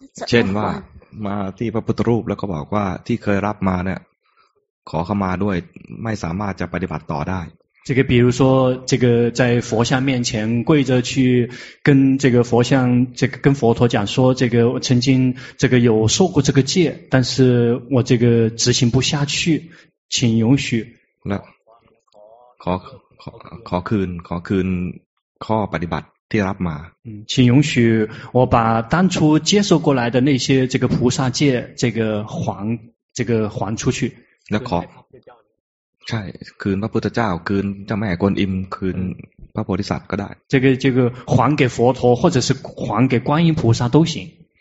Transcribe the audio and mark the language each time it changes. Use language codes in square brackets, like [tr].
[th] เช่นว่ามาที่พระพุทธรูปแล้วก็บอกว่าที่เคยรับมาเนี่ยขอเข้ามาด้วยไม่สามารถจะปฏิบัติต่อได้ [zh] 这个比如说这个在佛像面前跪着去跟这个佛像这个跟佛陀讲说这个我曾经这个有受过这个戒但是我这个执行不下去请允许 [th] 那ขอคืนข้อปฏิบัติที่รับมา [zh] 请允许我把当初接受过来的那些这个菩萨戒这个还出去 [th] แล้วขอใช่คืนพระพุทธเจ้าคืนเจ้าแม่กวนอิมคืนพระโพธิสัตว์ก็ได้ [zh] 这个还给佛陀或者是还给观音菩萨都行